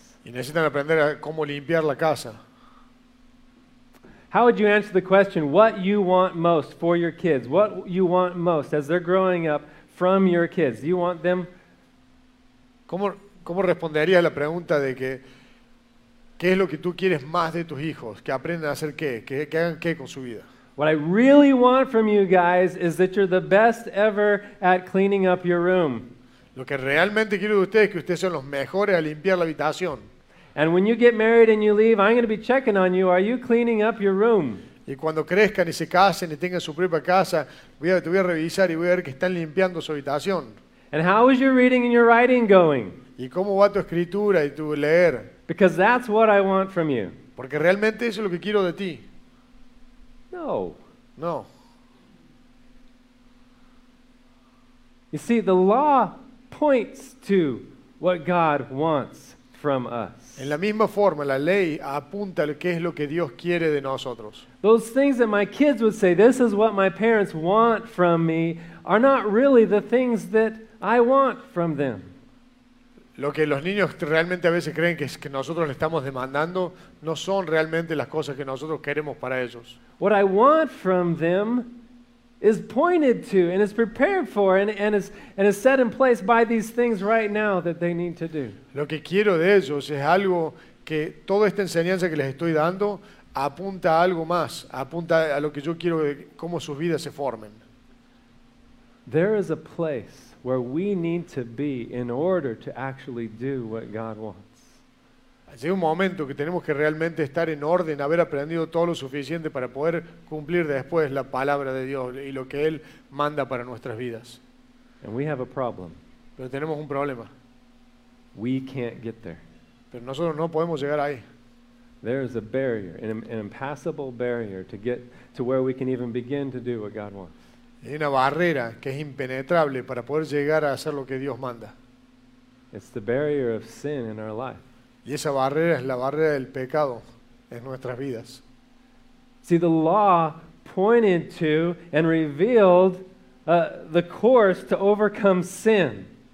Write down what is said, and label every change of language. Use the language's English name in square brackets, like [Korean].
[Spanish] Y necesitan aprender a cómo limpiar la casa. [English] How would you answer the question, what you want most for your kids? What you want most as they're growing up? From your kids, do you want them? [Spanish] ¿Cómo respondería la pregunta de que qué es lo que tú quieres más de tus hijos, que aprendan a hacer qué hagan qué con su vida? [English] What I really want from you guys is that you're the best ever at cleaning up your room. [Spanish] Lo que realmente quiero de ustedes es que ustedes sean los mejores a limpiar la habitación. [English] And when you get married and you leave, I'm going to be checking on you. Are you cleaning up your room? [Spanish] Y cuando crezcan y se casen y tengan su propia casa, te voy a revisar y voy a ver que están limpiando su habitación. [English] And how is your reading and your writing going? [Spanish] ¿Y cómo va tu escritura y tu leer? [English] Because that's what I want from you. [Spanish] Porque realmente eso es lo que quiero de ti. [English] No. [Spanish] No. [English] You see, the law points to what God wants from us. [Spanish] En la misma forma, la ley apunta a qué es lo que Dios quiere de nosotros. [English] Those things that my kids would say, this is what my parents want from me, are not really the things that I want from them. [Spanish] Lo que los niños realmente a veces creen que es que nosotros le estamos demandando, no son realmente las cosas que nosotros queremos para ellos. [English] What I want from them is pointed to and is prepared for and is set in place by these things right now that they need to do. [Spanish] Lo que quiero de ellos es algo que toda esta enseñanza que les estoy dando apunta a algo más, apunta a lo que yo quiero de cómo sus vidas se formen. [English] There is a place where we need to be in order to actually do what God wants. [Spanish] Llega un momento que tenemos que realmente estar en orden, haber aprendido todo lo suficiente para poder cumplir después la palabra de Dios y lo que Él manda para nuestras vidas. [English] And we have a problem. [Spanish] Pero tenemos un problema. [English] We can't get there. [Spanish] Pero nosotros no podemos llegar ahí. [English] There is a barrier, an impassable barrier to get to where we can even begin to do what God wants. [Spanish] Hay una barrera que es impenetrable para poder llegar a hacer lo que Dios manda. [English] It's the barrier of sin in our life. [Spanish] Y esa barrera es la barrera del pecado en nuestras vidas. [English] See, the law pointed to and revealed the course to overcome sin.